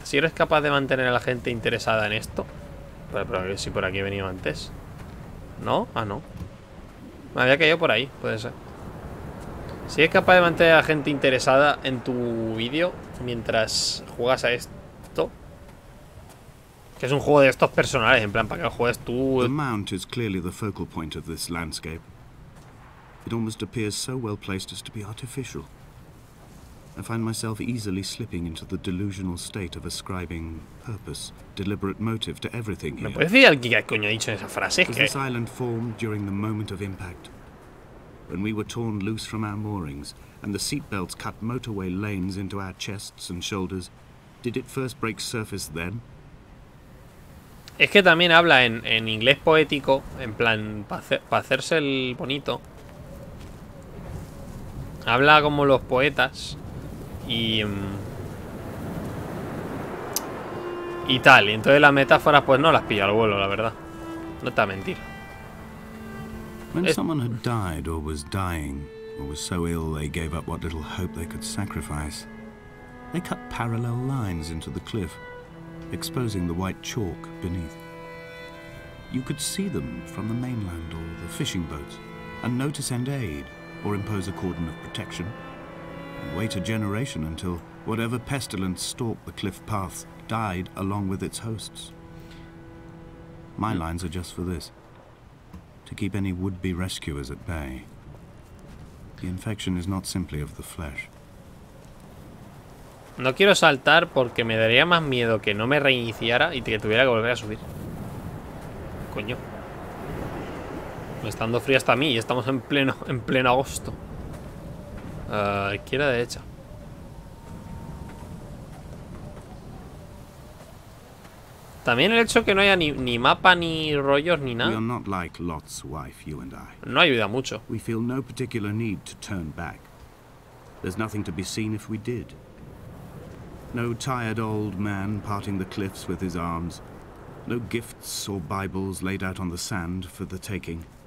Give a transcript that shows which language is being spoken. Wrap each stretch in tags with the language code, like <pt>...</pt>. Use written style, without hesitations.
<es>Si eres capaz de mantener a la gente interesada en esto. Pero a ver si por aquí he venido antes. ¿No? Ah, no. Me había caído por ahí, puede ser. Si eres capaz de mantener a la gente interesada en tu vídeo mientras juegas a esto. Que es un juego de estos personales, en plan, ¿para qué juegas tú?</es> <en>The mount is clearly the focal point of this landscape. It almost appears so well placed as to be artificial. I find myself easily slipping into the delusional state of ascribing purpose, deliberate motive to everything here.</en> <es>¿Me puede decir alguien qué coño ha dicho en esa frase?</es> <en>Was this island formed during the moment of impact? When we were torn loose from our moorings, and the seatbelts cut motorway lanes into our chests and shoulders, did it first break surface then?</en> <es>Es que también habla en inglés poético, en plan, pa hacerse el bonito. Habla como los poetas. Y tal, y entonces las metáforas pues no las pilla al vuelo, la verdad. No te va a mentir.</es> <en>When someone had died or was dying, or was so ill they gave up what little hope they could sacrifice, they cut parallel lines into the cliff, exposing the white chalk beneath. You could see them from the mainland or the fishing boats, and notice and aid, or impose a cordon of protection. Wait a generation until whatever pestilence stalked the cliff path died along with its hosts. My lines are just for this. To keep any would-be rescuers at bay. The infection is not simply of the flesh.</en> <es>No quiero saltar porque me daría más miedo que no me reiniciara y que tuviera que volver a subir. Coño. Me está dando frío hasta a mí y estamos en pleno agosto. Izquierda, derecha. También el hecho que no haya ni mapa ni rollos ni nada.</es> <en>We are not like Lot's wife, you and I.</en> <es>No ayuda mucho.</es> <en>We feel no particular need to turn back. There's nothing to be seen if we did. No tired old man parting the cliffs with his arms. No gifts or Bibles laid out on the sand for the taking.</en>